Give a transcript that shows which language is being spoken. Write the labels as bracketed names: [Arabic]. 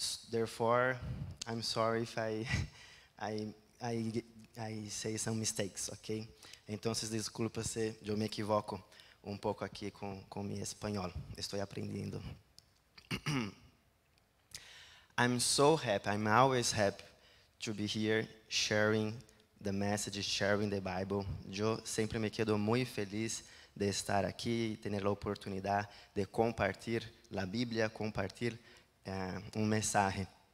[English] Therefore, I'm sorry if I say some mistakes, okay? [Spanish] Entonces, disculpa se yo me equivoco un poco aquí con mi español. Estoy aprendiendo. [English] I'm so happy, I'm always happy to be here sharing the message, sharing the Bible. [Spanish] Yo siempre me quedo muy feliz de estar aquí, tener la oportunidad de compartir la Biblia, compartir un mensaje.